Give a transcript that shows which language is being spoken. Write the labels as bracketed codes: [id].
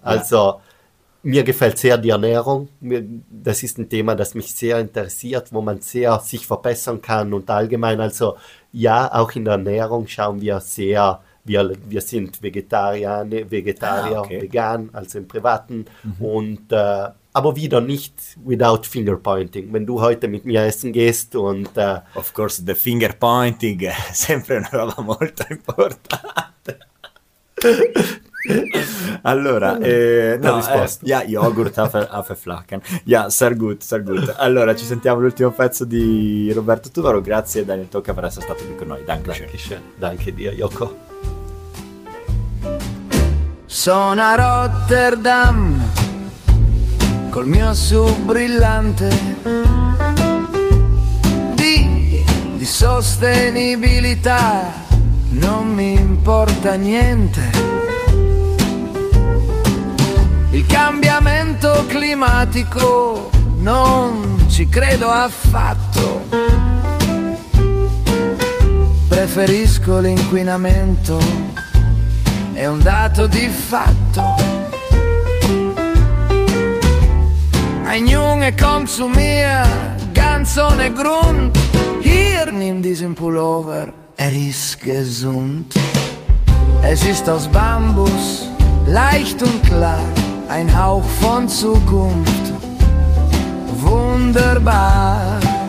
[de] Also mir gefällt sehr die Ernährung. Das ist ein Thema, das mich sehr interessiert, wo man sehr sich verbessern kann und allgemein. Also ja, auch in der Ernährung schauen wir sehr, Wir sind Vegetarier, vegan, also im Privaten. Mhm. Und aber wieder nicht [en] without finger pointing. [de] Wenn du heute mit mir essen gehst und [en] of course the finger pointing [it] è sempre una roba molto importante. Allora, yogurt, Haferflocken. [de] sehr gut. [it] Allora, ci sentiamo l'ultimo pezzo di Roberto Tubaro. Grazie Daniel Tocca per essere stato qui con noi. [de] Dankeschön. Danke dir, Yoko. [it] Sono a Rotterdam col mio SUV brillante di sostenibilità, non mi importa niente. Il cambiamento climatico non ci credo affatto, preferisco l'inquinamento, è un dato di fatto. [de] Einjung e consumia, Ganson e Grund, hier in diesem Pullover, er ist gesund. Es ist aus Bambus, leicht und klar, ein Hauch von Zukunft, wunderbar.